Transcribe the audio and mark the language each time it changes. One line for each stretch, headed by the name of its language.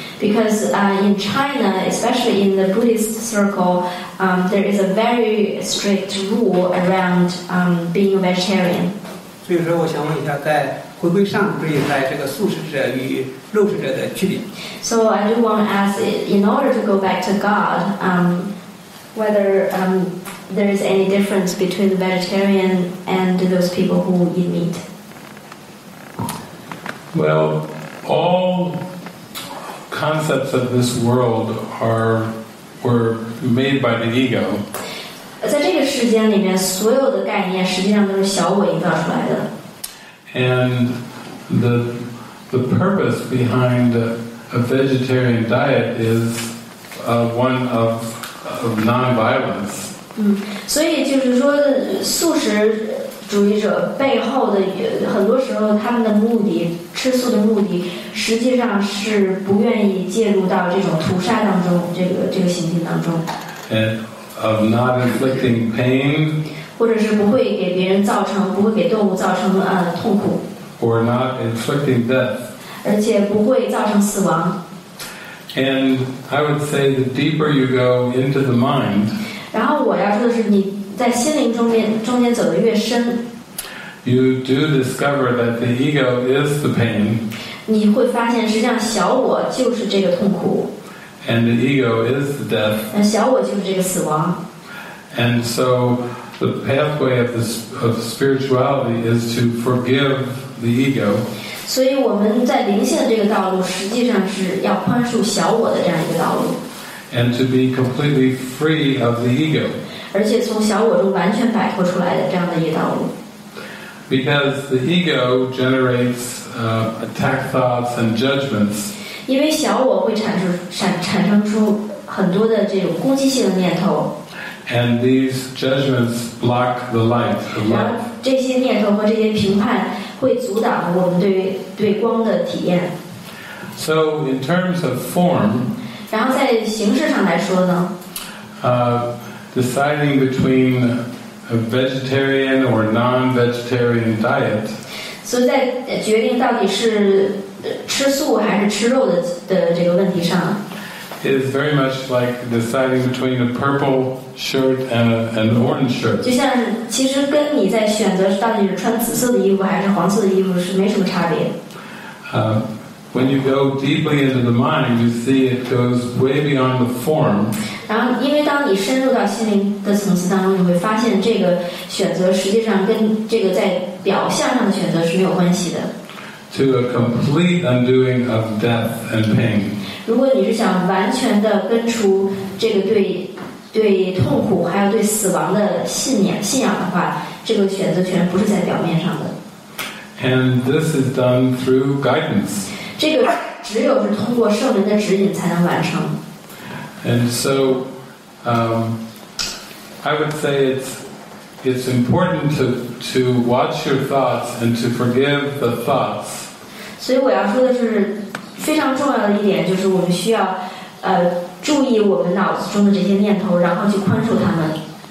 English: Because in China, especially in the Buddhist circle, there is a very strict rule around being a vegetarian.
Chinese: 所以说，我想问一下，在回归上这一块，这个素食者与肉食者的距离。
English: So I do want to ask, in order to go back to God, whether there is any difference between the vegetarian and those people who eat meat. Well, all concepts of this world were made by the ego.
Chinese: 在这个世间里面，所有的概念实际上都是小我营造出来的。
English: And the purpose behind a vegetarian diet is one of non-violence.
Chinese: 所以就是说，素食主义者背后的很多时候，他们的目的，吃素的目的，实际上是不愿意介入到这种屠杀当中，这个行径当中。
English: And of not inflicting pain.
Chinese: 或者是不会给别人造成，不会给动物造成痛苦。
English: Or not inflicting death.
Chinese: 而且不会造成死亡。
English: And I would say the deeper you go into the mind.
Chinese: 然后我要说的是你。在心灵中间走得越深
English: ，You do discover that the ego is the pain.
Chinese: 你会发现，实际上小我就是这个痛苦。
English: And the ego is the death.
Chinese: 小我就是这个死亡。
English: And so the pathway of spirituality is to forgive the ego.
Chinese: 所以我们在灵性的这个道路，实际上是要宽恕小我的这样一个道路。
English: And to be completely free of the ego.
Chinese: 而且从小我中完全摆脱出来的这样的一道路。
English: Because the ego generates attack thoughts and judgments.
Chinese: 因为小我会产生出很多的这种攻击性的念头。
English: And these judgments block the light of love.
Chinese: 这些念头和这些评判会阻挡我们对光的体验。
English: So in terms of form.
Chinese: 然后在形式上来说呢？
English: Deciding between a vegetarian or non-vegetarian diet.
Chinese: So, 在决定到底是吃素还是吃肉的这个问题上
English: is very much like deciding between a purple shirt and an orange shirt.
Chinese: 就像其实跟你在选择到底是穿紫色的衣服还是黄色的衣服是没什么差别。
English: When you go deeply into the mind, you see it goes way beyond the form.
Chinese: 然后因为当你深入到心灵的层次当中，你会发现这个选择实际上跟这个在表象上的选择是没有关系的。
English: To a complete undoing of death and pain.
Chinese: 如果你是想完全的根除这个对痛苦还有对死亡的信仰的话，这个选择全不是在表面上的。
English: And this is done through guidance.
Chinese: 这个只有是通过圣人的指引才能完成。
English: And so, I would say it's important to watch your thoughts and to forgive the thoughts.
Chinese: 所以我要说的是，非常重要的一点就是我们需要注意我们脑子中的这些念头，然后去宽恕他们。